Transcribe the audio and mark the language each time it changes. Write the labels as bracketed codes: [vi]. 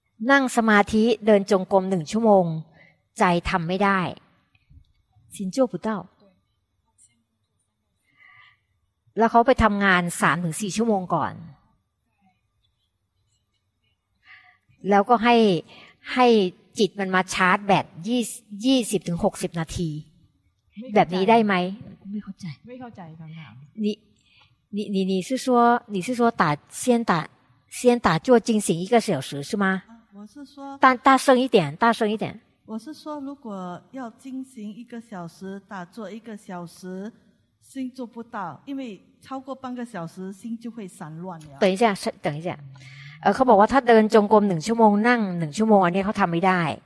[th] นั่งสมาธิเดินจงกรม1ชั่วโมงใจทำไม่ได้ [zh] 心做不到 [th] แล้วเขาไปทำงาน 3-4 ชั่วโมงก่อนแล้วก็ให้จิตมันมาชาร์จแบต 20-60 นาทีแบบนี้ได้ไหม ไม่เข้าใจคำถาม นี่ [zh] 你是说先打坐静行一个小时是吗我是说大声一点我是说如果要静行一个小时打坐一个小时心做不到因为超过半个小时心就会散乱了等一下 [th] เขาบอกว่าถ้าเดินจงกรม1ชั่วโมงนั่ง1ชั่วโมงอันนี้เขาทำไม่ได้